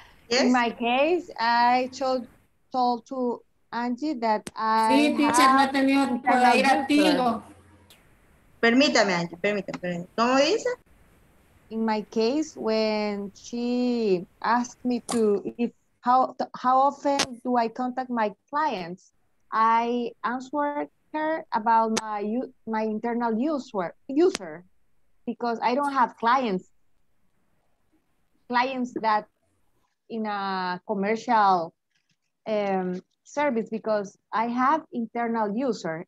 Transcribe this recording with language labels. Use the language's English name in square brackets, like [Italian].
[English] Yes? In my case, I told to Angie that I. [Spanish] Sí, teacher, no he tenido que ir a Tigo. Permítame, Angie, permítame. ¿Cómo dice? [English] In my case, when she asked me to, how often do I contact my clients? I answered her about my internal user, because I don't have clients that in a commercial service, because I have internal user.